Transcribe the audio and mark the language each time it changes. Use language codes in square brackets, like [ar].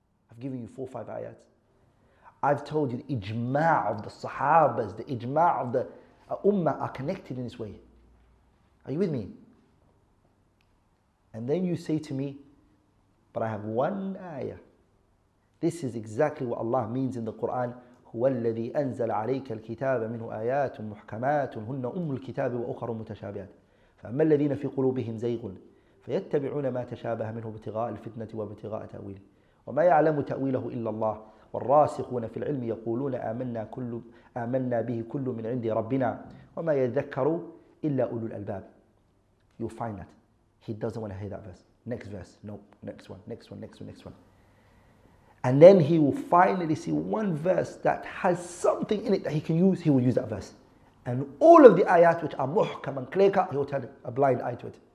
[en] I've given you 4 or 5 ayats. I've told you the ijma' of the sahabas, the ijma' of the ummah are connected in this way. Are you with me? And then you say to me, but I have one ayah. This is exactly what Allah means in the Quran. [ar] هُوَ الَّذِي أَنزَلَ عَلَيْكَ الْكِتَابَ مِنْهُ آيَاتٌ مُحْكَمَاتٌ هُنَّ أُمُّ الْكِتَابِ وَأُخَرُ مُتَشَابِهَاتٌ فَأَمَّا الَّذِينَ فِي قُلُوبِهِمْ زَيْغٌ فَيَتَّبِعُونَ مَا تَشَابَهَ مِنْهُ ابْتِغَاءَ الْفِتْنَةِ وَابْتِغَاءَ تَأْوِيلِهِ وَمَا يَعْلَمُ تَأْوِيلَهُ إِلَّا اللَّهُ والراسخون في العلم يقولون آمنا به كل من عند ربنا وما يذكر إلا أولو الألباب. [en] You find that he doesn't want to hear that verse. Next verse, nope. Next one, next one, next one, next one. And then he will finally see one verse that has something in it that he can use. He will use that verse, and all of the ayat which are muhkam and clear cut, he will turn a blind eye to it.